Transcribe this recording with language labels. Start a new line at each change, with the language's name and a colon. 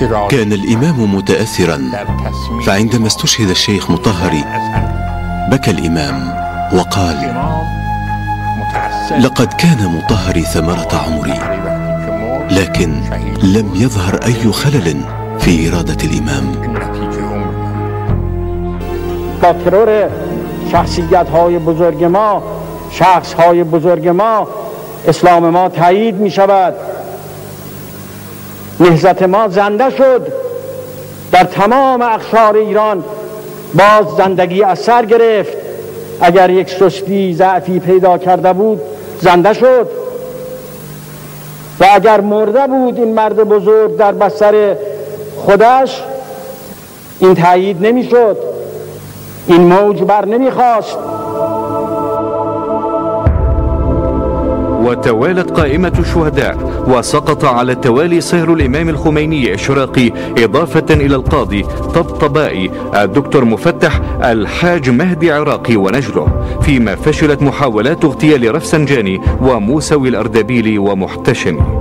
Arabic: كان الإمام متأثرا، فعندما استشهد الشيخ مطهري بكى الإمام وقال: لقد كان مطهري ثمرة عمري، لكن لم يظهر أي خلل في إرادة الإمام.
Persian: بترور شخصيات هاي بزرگ ما، شخص هاي بزرگ ما، اسلام ما تأيد می شود. نهضت ما زنده شد در تمام اقشار ایران، باز زندگی اثر گرفت، اگر یک سستی ضعفی پیدا کرده بود زنده شد، و اگر مرده بود این مرد بزرگ در بستر خودش، این تأیید نمی شد، این موج بر نمی خواست.
Arabic: وتوالت قائمة الشهداء، وسقط على التوالي سهر الإمام الخميني الشراقي، إضافة إلى القاضي طبطبائي، الدكتور مفتح، الحاج مهدي عراقي ونجله، فيما فشلت محاولات اغتيال رفسنجاني وموسوي الأردبيلي ومحتشم.